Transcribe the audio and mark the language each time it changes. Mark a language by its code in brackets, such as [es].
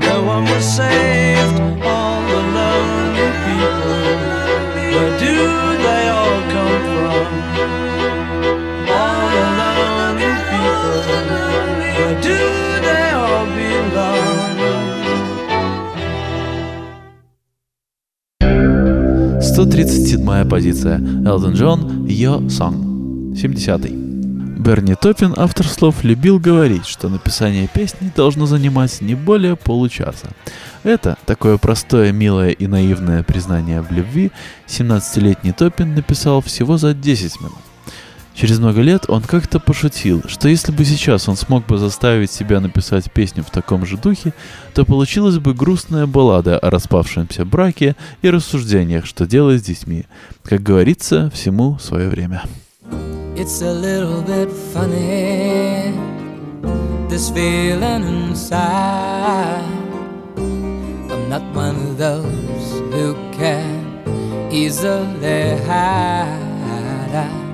[en] No one was saved, all the lonely people. Where do they all come from? All the lonely people. Where do they all belong? [ru] Тридцать седьмая позиция. Элтон Джон, Your Song. 70-й. Берни Топпин, автор слов, любил говорить, что написание песни должно занимать не более получаса. Это такое простое, милое и наивное признание в любви 17-летний Топпин написал всего за 10 минут. Через много лет он как-то пошутил, что если бы сейчас он смог бы заставить себя написать песню в таком же духе, то получилась бы грустная баллада о распавшемся браке и рассуждениях, что делать с детьми. Как говорится, всему свое время. [en] It's a little bit funny, this feeling inside. I'm not one of those who can easily hide.